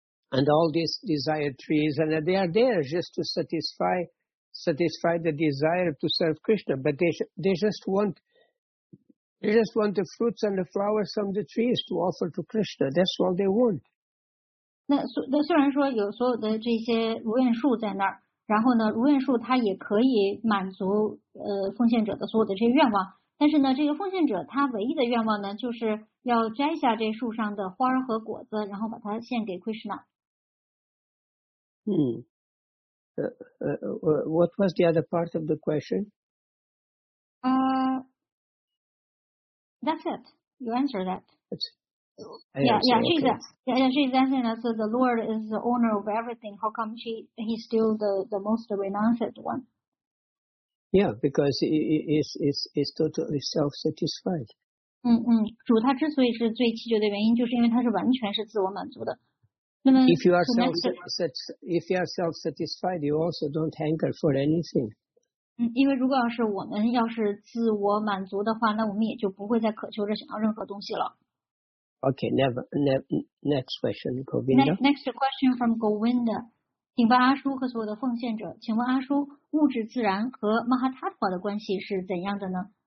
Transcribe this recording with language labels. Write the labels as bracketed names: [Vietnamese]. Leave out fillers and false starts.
[English] And all these desire trees, and they are there just to satisfy the desire to serve Krishna. But they just want the fruits and the flowers from the trees to offer to Krishna. That's all they want. [Chinese] 那虽然说有所有的这些如愿树在那儿，然后呢，如愿树它也可以满足奉献者的所有的这些愿望。但是呢，这个奉献者他唯一的愿望呢，就是要摘下这树上的花和果子，然后把它献给 Krishna。嗯。 [English] What was the other part of the question? That's it. You answer that. She's answering that. So the Lord is the owner of everything. How come he's still the most renounced one? Yeah, because he's totally self-satisfied. [Chinese] 主他之所以是最祈求的原因，就是因为他是完全是自我满足的。那么 [English] if you are self-satisfied, you also don't hanker for anything. [Chinese] 因为如果要是我们要是自我满足的话，那我们也就不会再渴求着想要任何东西了。 [English] Okay, next question, Govinda. Next question from Govinda. [Chinese] 请问阿叔和所有的奉献者，请问阿叔，物质自然和 Mahatattva 的关系是怎样的呢？